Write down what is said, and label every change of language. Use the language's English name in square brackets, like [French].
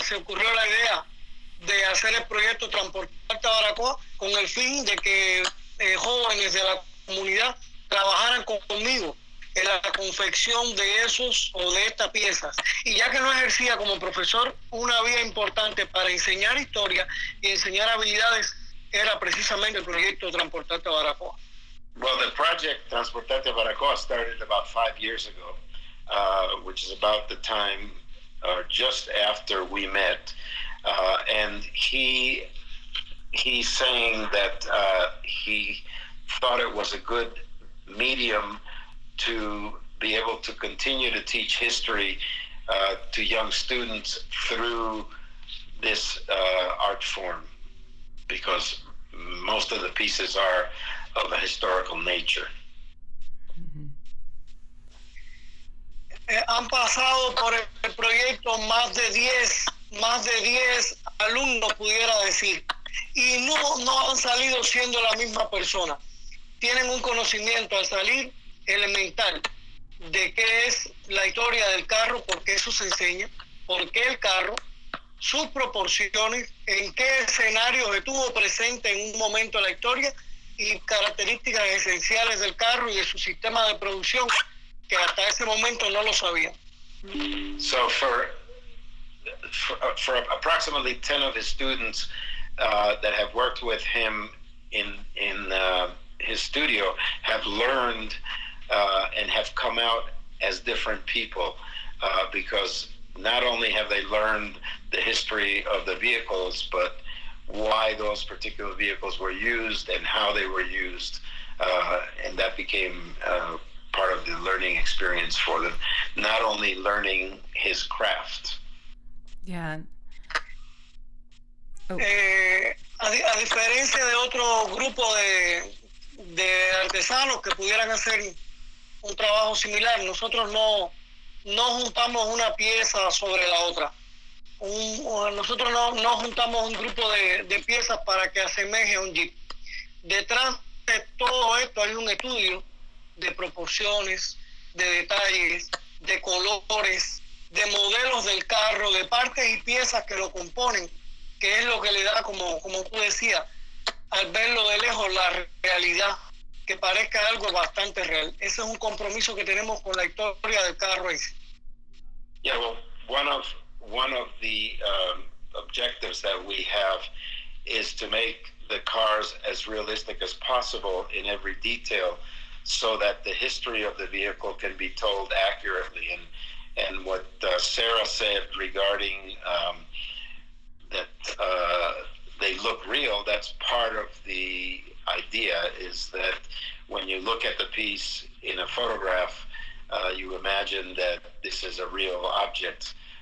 [Spanish] Se ocurrió la idea de hacer el proyecto Transportarte a Baracoa con el fin de que jóvenes de la comunidad trabajaran conmigo en la confección de esos o de estas piezas. Y ya que no ejercía como profesor, una vía importante para enseñar historia y enseñar habilidades era precisamente el proyecto Transportarte a Baracoa. [English] Well, the project Transportarte Baracoa started about 5 years ago, which is about the time or just after we met. And he's saying that he thought it was a good medium to be able to continue to teach history to young students through this art form, because most of the pieces are of a historical nature. [Spanish] Han pasado por el proyecto más de 10 alumnos, pudiera decir, y no han salido siendo la misma persona. Tienen un conocimiento al salir elemental de qué es la historia del carro, porque eso se enseña, por qué el carro, sus proporciones, en qué escenario estuvo presente en un momento de la historia, y características esenciales del carro y de su sistema de producción que hasta ese momento no lo sabía. [English] So for approximately 10 of his students that have worked with him in his studio have learned and have come out as different people, because not only have they learned the history of the vehicles, but why those particular vehicles were used and how they were used, and that became part of the learning experience for them, not only learning his craft. Yeah. [Spanish] A diferencia de otro grupo de artesanos que pudieran hacer un trabajo similar, nosotros no juntamos una pieza sobre la otra. Nosotros no juntamos un grupo de piezas para que asemeje un jeep. Detrás de todo esto hay un estudio de proporciones, de detalles, de colores, de modelos del carro, de partes y piezas que lo componen, que es lo que le da, como tú decías, al verlo de lejos, la realidad, que parezca algo bastante real. Ese es un compromiso que tenemos con la historia del carro ese. [English] Yeah, well, one of the objectives that we have is to make the cars as realistic as possible in every detail, so that the history of the vehicle can be told accurately. And what Sarah said regarding that they look real, that's part of the idea, is that when you look at the piece in a photograph, you imagine that this is a real object.